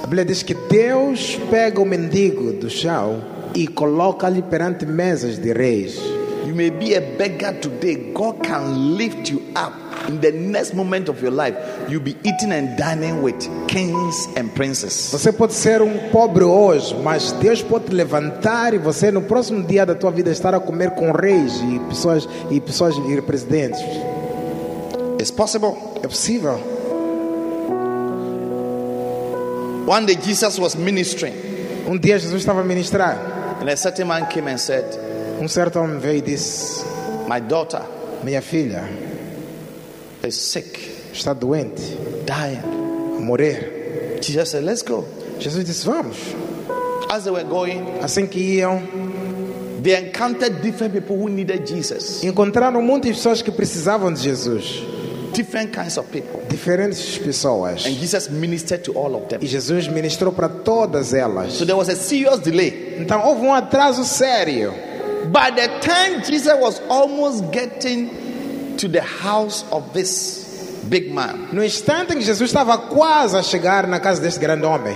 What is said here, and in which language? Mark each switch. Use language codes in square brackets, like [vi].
[pt] A Bíblia diz que Deus pega o mendigo do chão e coloca ali perante mesas de reis. [en] You may be a beggar today. God can lift you up. In the next moment of your life, you'll be eating and dining with kings and princes. [pt] Você pode ser pobre hoje, mas Deus pode levantar e você no próximo dia da tua vida estar a comer com reis e pessoas e presidentes. [en] It's possible. [pt] É possível. [en] One day Jesus was ministering. [pt] Dia Jesus estava a ministrar. [en] And a certain man came and said, [pt] certo homem veio e disse, [en] my daughter, [pt] minha filha, [en] is sick. [pt] Está doente. [en] Dying. [pt] A morrer. [en] Jesus said, let's go. [pt] Jesus disse, vamos. [en] As they were going, [pt] assim que iam, [en] they encountered different people who needed Jesus. [pt] Encontraram muitas pessoas que precisavam de Jesus. [en] Different kinds of people. [pt] Diferentes pessoas. [en] And Jesus ministered to all of them. [pt] E Jesus ministrou para todas elas. [en] So there was a serious delay. [pt] Então houve atraso sério. [en] By the time Jesus was almost getting to the house of this big man, [pt] no instante em que Jesus estava quase a chegar na casa deste grande homem,